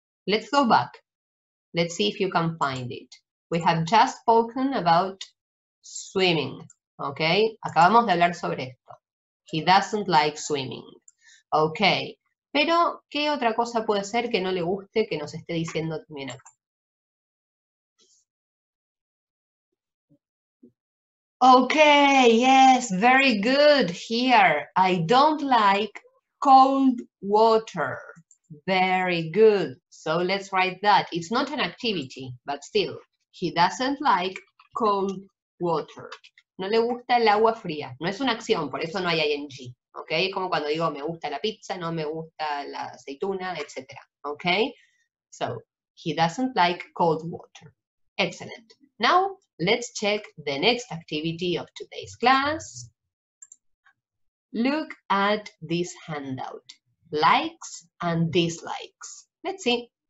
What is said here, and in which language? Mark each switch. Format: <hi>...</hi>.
<en>Let's go back. Let's see if you can find it. We have just spoken about swimming, ¿ok?</en> <es>Acabamos de hablar sobre esto.</es> <en>He doesn't like swimming.</en> <es>¿Ok? Pero, ¿qué otra cosa puede ser que no le guste que nos esté diciendo también acá?</es> <en>Okay, yes, very good. Here, I don't like cold water. Very good. So let's write that. It's not an activity, but still. He doesn't like cold water.</en> <es>No le gusta el agua fría. No es una acción, por eso no hay ing. Okay? Como cuando digo me gusta la pizza, no me gusta la aceituna, etc.</es> <en>Okay? So, he doesn't like cold water. Excellent. Now, let's check the next activity of today's class. Look at this handout. Likes and dislikes. Let's see.</en>